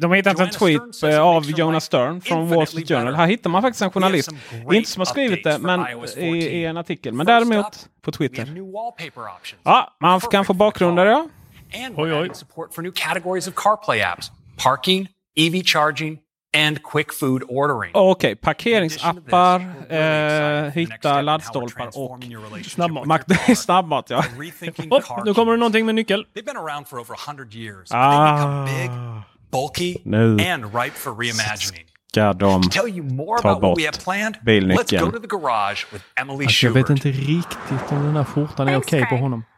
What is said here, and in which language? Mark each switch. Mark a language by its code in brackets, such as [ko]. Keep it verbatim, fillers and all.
[sv] De har hittat en tweet av Jonas Stern från Wall Street Journal. Här hittar man faktiskt en journalist. Inte som har skrivit det, men i, i en artikel. Men däremot på Twitter. Ja, man kan få bakgrunder, ja. [en] And we're adding support for new categories of CarPlay apps, parking, E V charging and quick food ordering. [sv] Okej, okay, parkeringsappar, eh, hitta laddstolpar och snabbmat. snabbmat, ja. Oh, nu kommer det någonting med nyckel. [en] They've been around for over one hundred years. Ah. They become big, bulky no. and ripe for reimagining. [sv] Ska de ta bort bilnyckeln? Alltså, jag vet inte riktigt om den här skjortan är okej okay på honom.